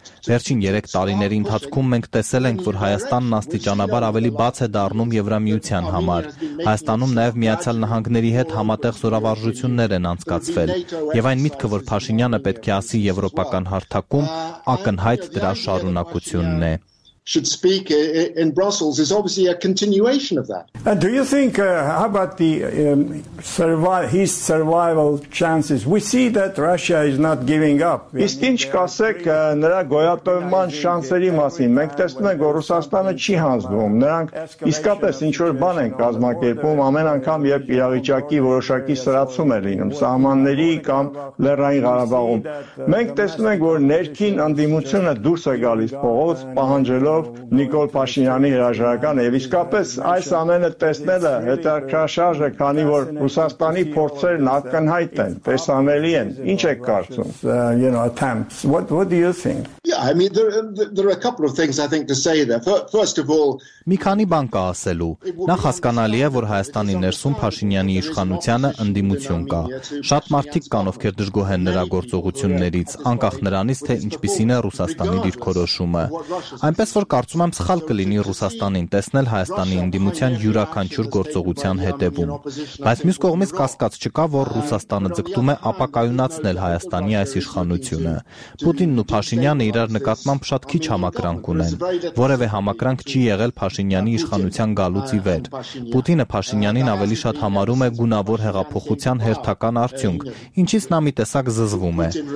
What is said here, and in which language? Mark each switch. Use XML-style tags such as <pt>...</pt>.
<hy>Վերջին 3 տարիների ընթացքում մենք տեսել ենք, որ Հայաստանն աստիճանաբար ավելի բաց է դառնում Եվրամիության համար։ Հայաստանում նաև Միացյալ Նահանգների հետ համատեղ զորավարժություններ են անցկացվել, եւ այն միտքը, որ Փաշինյանը պետք է ասի եվրոպական հարթակում, ակնհայտ դրա շարունակությունն է։</hy> <en>Should speak in Brussels is obviously a continuation of that. And do you think how about the survival chances? We see that Russia is not giving up.</en> <hy>Իսկ ինչ կասեք նրա գոյատևման շանսերի մասին? Մենք տեսնում ենք, որ Ռուսաստանը չի հանձնվում։ Նրանք իսկապես ինչ որ բան են կազմակերպում ամեն անգամ, երբ իրավիճակի որոշակի սրացում է լինում սահմանների կամ Լեռնային Ղարաբաղում։ Մենք տեսնում ենք, որ ներքին անդիմությունը դուրս է գալիս փողոց, պահանջ Նիկոլ Փաշինյանի հրաժարական, եւ իսկապես այս ամենը տեսնելը հետաքրքրաշարժ է, քանի որ Ռուսաստանի փորձերն ակնհայտ են, տեսանելի են։ Ինչ եք կարծում?</hy> <en>You know, attempts. What do you think? Yeah, I mean there are a couple of things I think to say there. First of all,</en> <hy>մի քանի բան կա ասելու։ Նախ հասկանալի է, որ Հայաստանի ներսում Փաշինյանի իշխանությունը ընդդիմություն կա։ Շատ մարդիկ կան, ովքեր դժգոհ են նրա գործողություններից, անկախ նրանից, թե ինչպիսին է Ռուսաստանի դիրքորոշումը։ Այնպես որ կարծում եմ սխալ կլինի Ռուսաստանին տեսնել Հայաստանի ինդիմության յուրաքանչյուր գործողության հետևում։ Բայց մյուս կողմից կասկած չկա, որ Ռուսաստանը ձգտում է ապակայունացնել Հայաստանի այս իշխանությունը։ Պուտինն ու Փաշինյանը իրար նկատմամբ շատ քիչ համակրանք ունեն։ Որևէ համակրանք չի եղել Փաշինյանի իշխանության գալուց ի վեր։ Պուտինը Փաշինյանին ավելի շատ համարում է գունավոր հեղափոխության հերթական արդյունք, ինչից նա մի տեսակ զզվում է։</hy>